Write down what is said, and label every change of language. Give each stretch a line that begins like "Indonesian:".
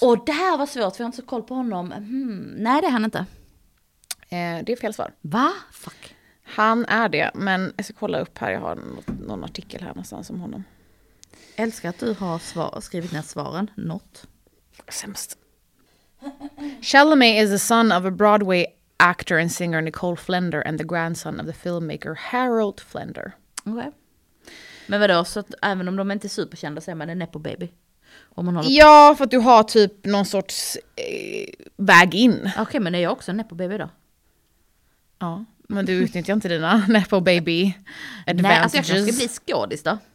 Swedish: Och det här var svårt, för jag har inte så koll på honom. Nej, det är han inte. Det är fel svar. Va? Fuck. Han är det, men jag ska kolla upp här. Jag har någon artikel här någonstans om honom. Jag älskar att du har skrivit ner svaren.
English: Not.
Swedish: Sämst.
English: Chalamet is the son of a Broadway actor and singer Nicole Flender and the grandson of the filmmaker Harold Flender.
Swedish: Okej. Okay. Men vadå, så att även om de inte är superkända så är man en nepo baby? Om man ja, för att du har typ någon sorts väg in. Okej, okay, men är jag också en nepo baby då? Ja, men du utnyttjar inte dina nepo baby advantages. Nej, alltså jag ska bli skådis då.